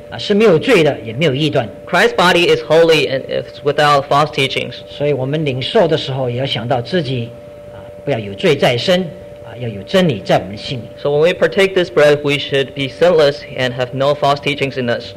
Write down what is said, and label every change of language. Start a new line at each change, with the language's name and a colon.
English: Christ's body is holy and it's without false teachings.
Chinese: 所以我们领受的时候也要想到自己 不要有罪在身,
English: so when we partake this bread, we should be sinless and have no false teachings in us.